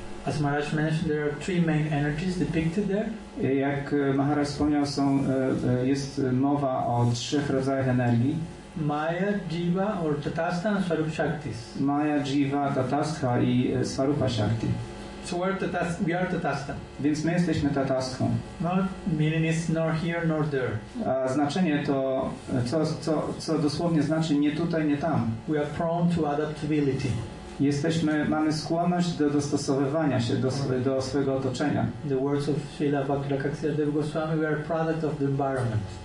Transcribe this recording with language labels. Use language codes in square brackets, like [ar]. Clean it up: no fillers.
[en] As Maharaj mentioned, there are three main energies depicted there. [pl] Jak Maharaj wspomniał, jest mowa o trzech rodzajach energii. [en] Maya, Jiva or Tatastha and Swarup Shaktis. [pl] Maya, Jiva, Tatastha i Swarupa Shakti. [en] So we are Tatastha. [pl] Więc my jesteśmy Tatasthą. [en] Not meaning is nor here nor there. [pl] A znaczenie to, co dosłownie znaczy nie tutaj, nie tam. [en] We are prone to adaptability. [pl] Mamy skłonność do dostosowywania się do swojego otoczenia. [en] The words of Srila Vakrakaksyadev Goswami, we are product of the environment.